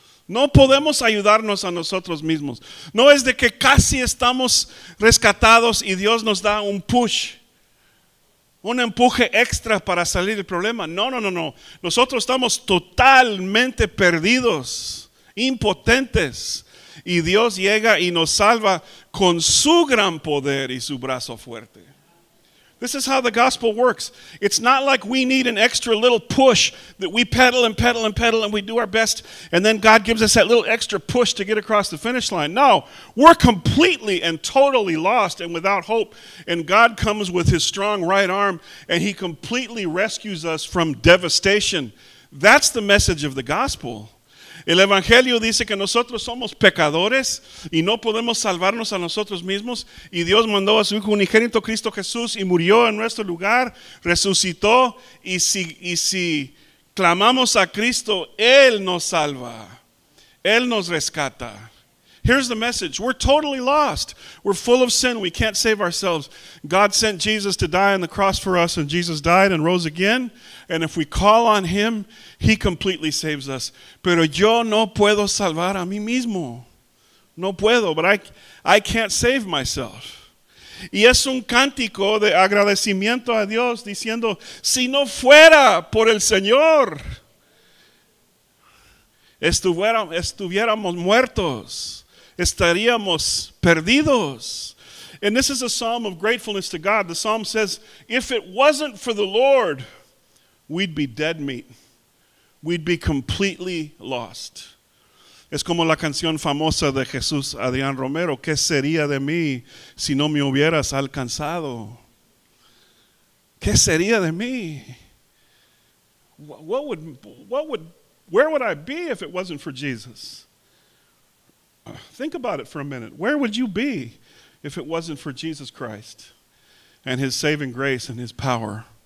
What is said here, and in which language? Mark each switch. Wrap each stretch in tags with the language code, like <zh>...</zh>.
<es>No podemos ayudarnos a nosotros mismos. No es de que casi estamos rescatados y Dios nos da un push, un empuje extra para salir del problema. No. Nosotros estamos totalmente perdidos, impotentes. Y Dios llega y nos salva con su gran poder y su brazo fuerte.</es> <en>This is how the gospel works. It's not like we need an extra little push that we pedal and pedal and pedal and we do our best and then God gives us that little extra push to get across the finish line. No, we're completely and totally lost and without hope, and God comes with his strong right arm and he completely rescues us from devastation. That's the message of the gospel.</en> <es>El Evangelio dice que nosotros somos pecadores y no podemos salvarnos a nosotros mismos. Y Dios mandó a su Hijo unigénito, Cristo Jesús, y murió en nuestro lugar, resucitó. Y si clamamos a Cristo, Él nos salva. Él nos rescata.</es> <en>Here's the message. We're totally lost. We're full of sin. We can't save ourselves. God sent Jesus to die on the cross for us, and Jesus died and rose again. And if we call on him, he completely saves us. Pero yo no puedo salvar a mí mismo. No puedo, but I can't save myself.</en> <es>Y es un cántico de agradecimiento a Dios diciendo, si no fuera por el Señor, estuviéramos muertos. Estaríamos perdidos.</es> <en>And this is a psalm of gratefulness to God. The psalm says, if it wasn't for the Lord, we'd be dead meat. We'd be completely lost.</en> <es>Es como la canción famosa de Jesús Adrián Romero, ¿qué sería de mí si no me hubieras alcanzado? ¿Qué sería de mí?</es> <en>Where would I be if it wasn't for Jesus? Think about it for a minute. Where would you be if it wasn't for Jesus Christ and his saving grace and his power?</en>